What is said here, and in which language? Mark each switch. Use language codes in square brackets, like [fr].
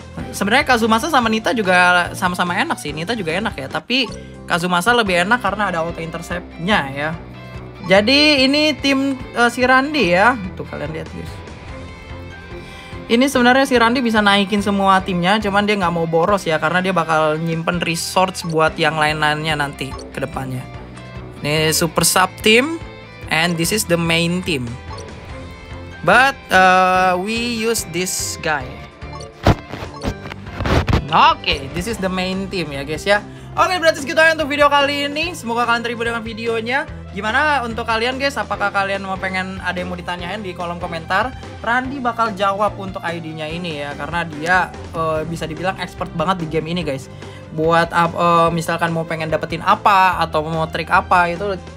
[id] Sebenarnya Kazumasa sama Nita juga sama-sama enak sih, Nita juga enak ya, tapi Kazumasa lebih enak karena ada auto interceptnya ya. Jadi ini tim si Randy ya, tuh kalian lihat guys. Ini sebenarnya si Randy bisa naikin semua timnya, cuman dia nggak mau boros ya karena dia bakal nyimpen resource buat yang lain-lainnya nanti kedepannya. [en] Ini super sub team and this is the main team. But we use this guy. Okay, this is the main team ya guys ya. [id] Okay, berarti segitu aja untuk video kali ini. Semoga kalian terhibur dengan videonya. Gimana untuk kalian guys? Apakah kalian mau pengen ada yang mau ditanyain di kolom komentar? Randy bakal jawab untuk ID-nya ini ya karena dia bisa dibilang expert banget di game ini guys. Buat misalkan mau pengen dapetin apa atau mau trik apa itu